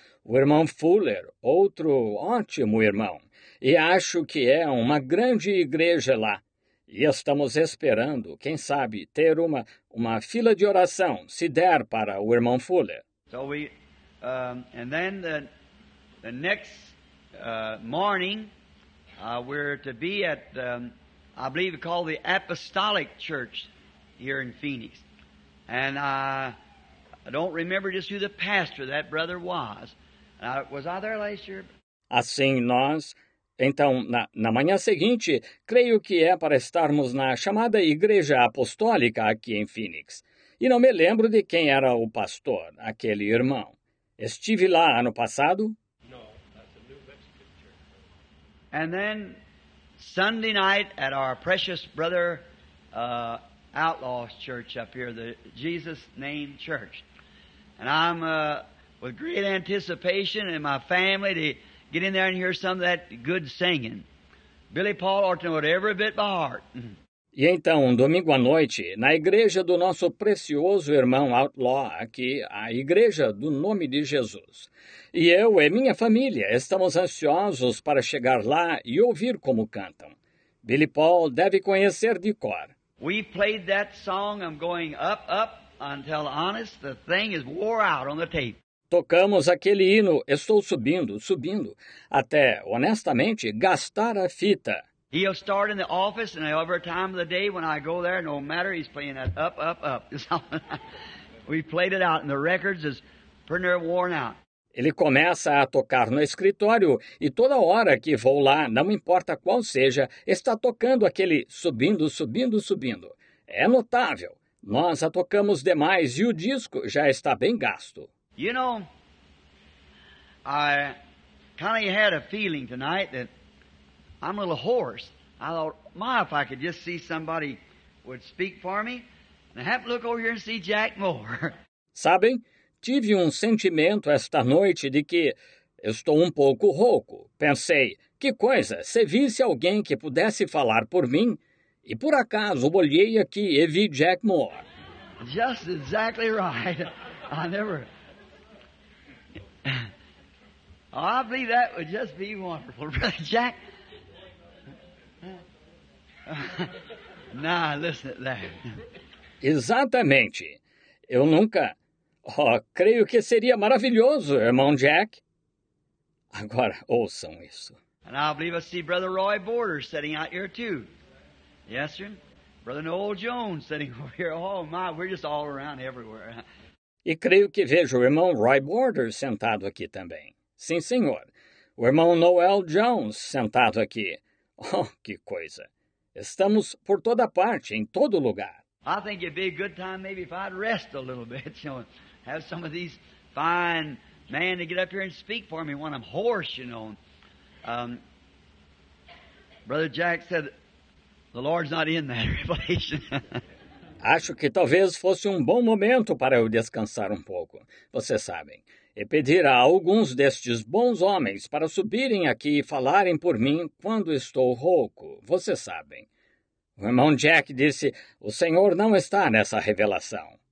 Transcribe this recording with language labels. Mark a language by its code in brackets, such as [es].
[pt] O irmão Fuller, outro ótimo irmão. E acho que é uma grande igreja lá. E estamos esperando, quem sabe, ter uma fila de oração, se der para o irmão Fuller. [en] So we, and then the next morning, we're to be at, I believe it's called the Apostolic Church here in Phoenix. And I don't remember just who the pastor that brother was. Was I there last year? [pt] Assim nós, então, na manhã seguinte, creio que é para estarmos na chamada Igreja Apostólica aqui em Phoenix. E não me lembro de quem era o pastor, aquele irmão. Estive lá ano passado? [en] No, that's a New Mexican church. And then Sunday night at our precious brother Outlaw's church up here, the Jesus Name Church. And I'm with great anticipation and my family to get in there and hear some of that good singing. Billy Paul ought to know it every bit by heart. [pt] E então, domingo à noite, na igreja do nosso precioso irmão Outlaw, aqui, a Igreja do Nome de Jesus. E eu e minha família estamos ansiosos para chegar lá e ouvir como cantam. Billy Paul deve conhecer de cor. [en] We played that song, I'm going up, up, until honest, the thing is wore out on the tape. [pt] Tocamos aquele hino, estou subindo, subindo, até, honestamente, gastar a fita. [en] He'll start in the office, and every time of the day when I go there, no matter, he's playing that up, up, up. We played it out, and the records is pretty near worn out. [pt] Ele começa a tocar no escritório, e toda hora que vou lá, não importa qual seja, está tocando aquele subindo, subindo, subindo. É notável. Nós a tocamos demais, e o disco já está bem gasto. [en] You know, I kind of had a feeling tonight that I'm a little hoarse. I thought, my, if I could just see somebody would speak for me. And I have to look over here and see Jack Moore. [pt] Sabem, tive sentimento esta noite de que estou pouco rouco. Pensei, que coisa, se visse alguém que pudesse falar por mim. E por acaso, olhei aqui e vi Jack Moore. [en] Just exactly right. I never... Oh, I believe that would just be wonderful, Brother Jack. Nah, listen to that. [pt] Exatamente. Eu nunca... Oh, creio que seria maravilhoso, irmão Jack. Agora, ouçam isso. [en] And I believe I see Brother Roy Border sitting out here too. Yes, sir? Brother Noel Jones sitting over here. Oh, my, we're just all around everywhere. [pt] E creio que vejo o irmão Roy Border sentado aqui também. Sim, senhor. O irmão Noel Jones sentado aqui. Oh, que coisa. Estamos por toda parte, em todo lugar. [en] I think it'd be a good time maybe if I'd rest a little bit, you know, have some of these fine men to get up here and speak for me when I'm hoarse, you know. Brother Jack said, the Lord's not in that revelation. [pt] Acho que talvez fosse bom momento para eu descansar pouco, vocês sabem, e pedir a alguns destes bons homens para subirem aqui e falarem por mim quando estou rouco, vocês sabem. O irmão Jack disse, o Senhor não está nessa revelação.